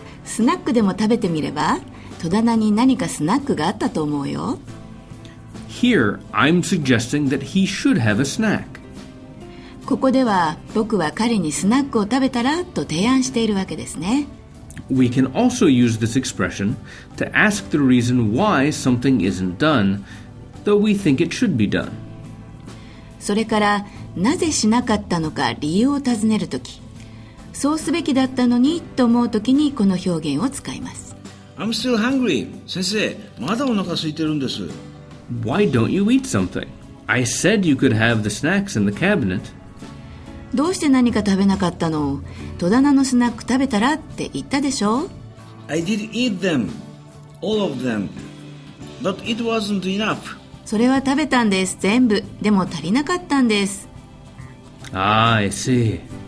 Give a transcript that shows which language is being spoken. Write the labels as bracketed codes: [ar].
[ja] スナックでも食べてみれば、戸棚に何かスナックがあったと思うよ。 [en] Here, I'm suggesting that he should have a snack. [ja] ここでは、僕は彼にスナックを食べたらと提案しているわけですね。 [en] We can also use this expression to ask the reason why something isn't done, though we think it should be done. [ja] それから、なぜしなかったのか理由を尋ねるとき、そうすべきだったのにと思うときにこの表現を使います。 [en] I'm still hungry. [ja] 先生、まだお腹空いてるんです。 [en] Why don't you eat something? I said you could have the snacks in the cabinet. [ja] どうして何か食べなかったの?戸棚のスナック食べたらって言ったでしょ? [en] I did eat them. All of them. But it wasn't enough. [ja] それは食べたんです。全部。でも足りなかったんです。 [en] I see.